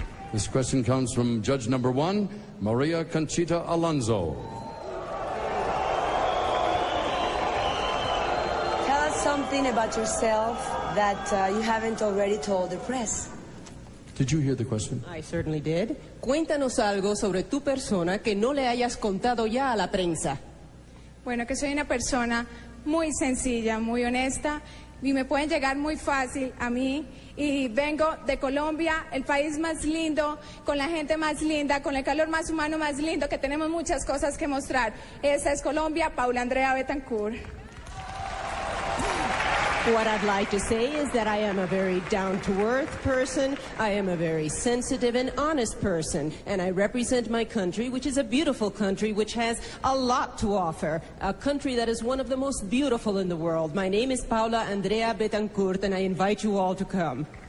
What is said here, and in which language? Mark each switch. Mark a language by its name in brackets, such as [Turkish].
[English] This question comes from judge number 1, Maria Conchita Alonso. Tell us something about yourself that you haven't already told the press. Did you hear the question? I certainly did. [Spanish] Cuéntanos algo sobre tu persona que no le hayas contado ya a la prensa. Bueno, que soy una persona muy sencilla, muy honesta, y me pueden llegar muy fácil a mí. Y vengo de Colombia, el país más lindo, con la gente más linda, con el calor más humano más lindo, que tenemos muchas cosas que mostrar. Esa es Colombia, Paula Andrea Betancur. [English] What I'd like to say is that I am a very down-to-earth person. I am a very sensitive and honest person. And I represent my country, which is a beautiful country, which has a lot to offer. A country that is one of the most beautiful in the world. My name is Paula Andrea Betancur, and I invite you all to come.